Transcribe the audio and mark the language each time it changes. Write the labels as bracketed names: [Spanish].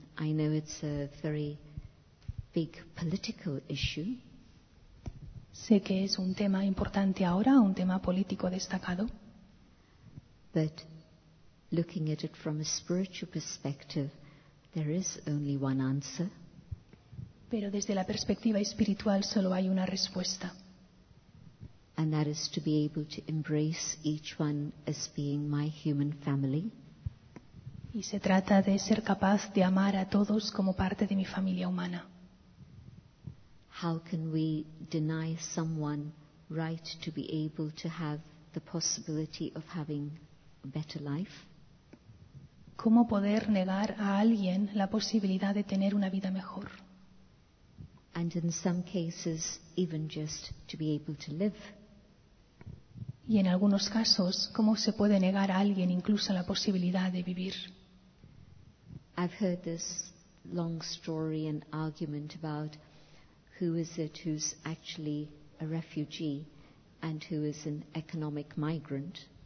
[English] I know it's a very big political issue. [Spanish] Sé que es un tema importante ahora, un tema político destacado. [English] But looking at it from a spiritual perspective, there is only one answer. [Spanish] Pero desde la perspectiva espiritual solo hay una respuesta. [English] And that is to be able to embrace each one as being my human family. [Spanish] Y se trata de ser capaz de amar a todos como parte de mi familia humana. [English] How can we deny someone right to be able to have the possibility of having better life? [Spanish] ¿Cómo poder negar a alguien la posibilidad de tener una vida mejor? [English] And in some cases, even just to be able to live. [Spanish] Y en algunos casos, ¿cómo se puede negar a alguien incluso la posibilidad de vivir? [English] I've heard this long story and argument about who is it who's actually a refugee and who is an economic migrant?